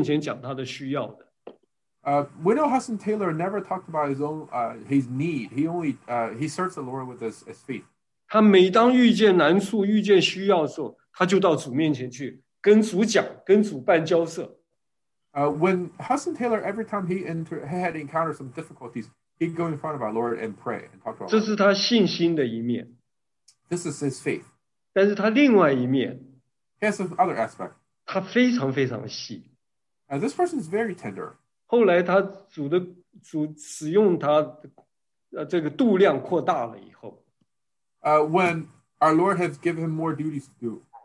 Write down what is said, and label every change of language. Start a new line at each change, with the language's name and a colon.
Chinese: 我们知道戴德森是一个用信心学习来服侍主的人，他从来不在人面前讲他的需要的。
English: We know Hudson Taylor never talked about his own his need. He only serves the Lord with his faith.
Chinese: 他每当遇见难处、遇见需要的时候，他就到主面前去跟主讲、跟主办交涉。
English: When Hudson Taylor, every time he had encountered some difficulties, he'd go in front of our Lord and pray and talk to our.
Chinese: 这是他信心的一面.
English: This is his faith.
Chinese: 但是他另外一面,
English: he has another aspect.
Chinese: 他非常非常细.
English: This person is very tender.
Chinese: 后来他主使用他这个度量扩大了以后,
English: when our Lord has given him more duties to do,